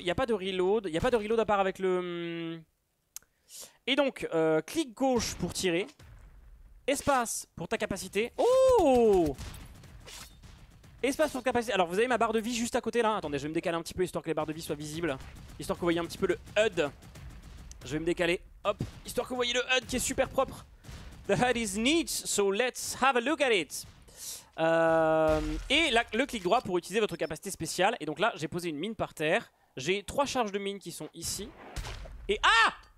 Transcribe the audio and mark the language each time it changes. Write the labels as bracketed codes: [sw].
[fr] Il n'y a pas de reload. Il n'y a pas de reload à part avec le... Et donc, clic gauche pour tirer. Espace pour ta capacité. Oh! Espace pour ta capacité. Alors, vous avez ma barre de vie juste à côté là. Attendez, je vais me décaler un petit peu histoire que les barres de vie soient visibles. Histoire que vous voyez un petit peu le HUD. Je vais me décaler, hop, histoire que vous voyez le HUD qui est super propre. [en] The HUD is neat, so let's have a look at it. [fr] Et là, le clic droit pour utiliser votre capacité spéciale. Et donc là, j'ai posé une mine par terre. J'ai trois charges de mine qui sont ici. Et ah!